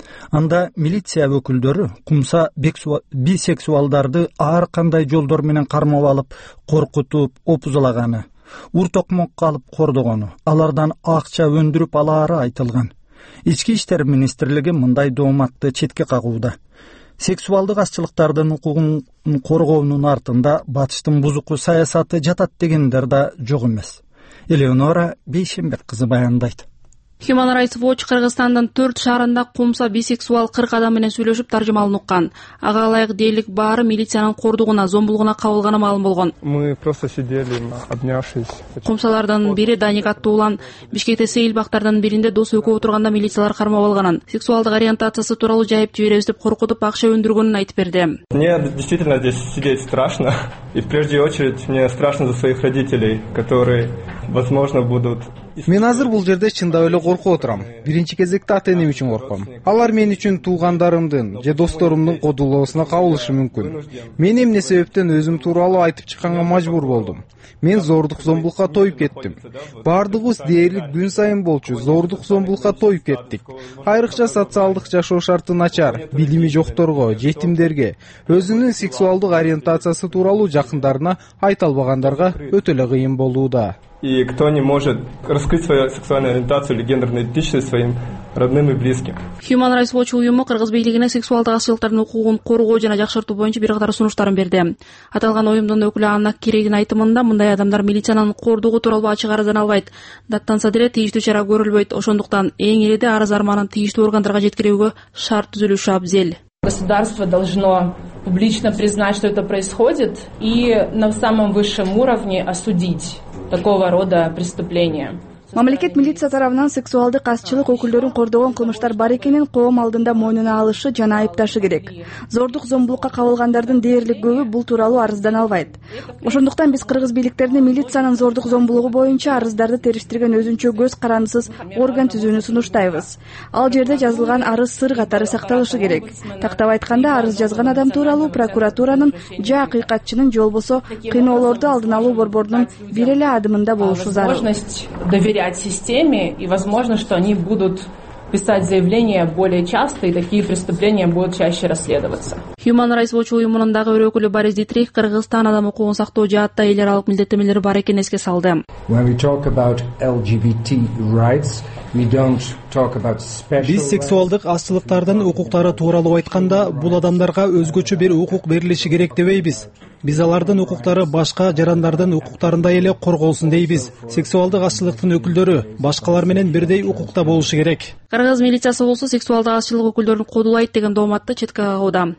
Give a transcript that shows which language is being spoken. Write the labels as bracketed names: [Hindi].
[Kyrgyz] Анда милиция өкүлдөрү кумса бисексуалдарды ар кандай жолдор менен кармап алып, коркутуп, опузалаганы, ур токмокко алып кордогону, алардан акча өндүрүп алары айтылган. Ички иштер министрлиги мындай дооматты четке кагууда. Сексуалдык азчылыктардын укугун коргоонун артында батыштын бузуку саясаты жатат дегендер да жок эмес. Элеонора Бейшенбек кызы баяндайт. Human Rights Watch Кыргызстандын 4 шаарында кумса бисексуал 40 адам менен сүйлөшүп таржымалын уккан. Ага ылайык дээрлик баары милициянын кордугуна, зомбулугуна кабылганы маалым болгон. [Russian] Мы просто сидели, обнявшись. [Kyrgyz] Кумсалардан бири Даник аттуу улан Бишкекте сейил бактардын биринде дос өкө отурганда милициялар кармап алганын, сексуалдык ориентациясы тууралуу жайып жиберебиз деп коркутуп акча өндүргөнүн айтып берди. [Russian] Мне действительно здесь сидеть страшно. И в прежнюю очередь мне страшно за своих родителей, которые, возможно, будут. [Kyrgyz] Мен азыр бул жерде чындап эле коркуп отурам. Биринчи кезекте ата-энем үчүн корком. Алар мен үчүн туугандарымдын же досторумдун кодулоосуна кабылышы мүмкүн. Мен эмне себептен өзүм тууралуу айтып чыкканга мажбур болдум? Мен зордук-зомбулукка тоюп кеттим. Бардыгыбыз дээрлик күн сайын болчу зордук-зомбулукка тоюп кеттик. Айрыкча социалдык жашоо шарты начар, билими жокторго, жетимдерге, өзүнүн сексуалдык ориентациясы тууралуу жакындарына айта албагандарга өтө эле кыйын болууда. [Russian] И кто не может раскрыть свою сексуальную ориентацию или гендерную идентичность своим родным и близким. [Kyrgyz] Human Rights Watch уюму кыргыз бийлигине сексуалдык азчылыктардын укугун коргоо жана жакшыртуу боюнча бир катар сунуштарын берди. Аталган уюмдун өкүлү Анна Кирейдин айтымында мындай адамдар милициянын кордугу тууралуу ачык арыз албайт. Даттанса деле тийиштүү чара көрүлбөйт. Ошондуктан эң эле арыз арманын тийиштүү органдарга жеткирүүгө шарт түзүлүшү абзел. [Russian] Государство должно публично признать, что это происходит, и на самом высшем уровне осудить такого рода преступления. [Kyrgyz] Мамлекет милиция тарабынан сексуалдык азчылык өкүлдөрүн кордогон кылмыштар бар экенин коом алдында мойнуна алышы жана айыпташы керек. Зордук-зомбулукка кабылгандардын дээрлик көбү бул тууралуу арыздана албайт. Ошондуктан биз кыргыз бийликтерине милициянын зордук-зомбулугу боюнча арыздарды териштирген өзүнчө көз карандысыз орган түзүүнү сунуштайбыз. Ал жерде жазылган арыз сыр катары сакталышы керек. Тактап айтканда, арыз жазган адам тууралуу прокуратуранын же акыйкатчынын же болбосо кыйноолорду алдын алуу борборунун бир эле адымында болушу зарыл. [Russian] Доверять системе, и возможно, что они будут писать заявления более часто, и такие преступления будут чаще расследоваться. [Kyrgyz] Human Rights Watch уюмунун дагы бир өкүлү Борис Дитрих Кыргызстан адам укугун сактоо жаатта эл аралык милдеттенмелери бар экенин эске салды. [English] When we talk about LGBT rights, we don't talk about special. [Kyrgyz] Биз сексуалдык азчылыктардын укуктары тууралуу айтканда, бул адамдарга өзгөчө бир укук берилиши керек дебейбиз. Биз алардын укуктары башка жарандардын укуктарындай эле корголсун дейбиз. Сексуалдык азчылыктын өкүлдөрү башкалар менен бирдей укукта болушу керек. Кыргыз милициясы болсо сексуалдык азчылык өкүлдөрүн кодулайт деген дооматты четке кагууда.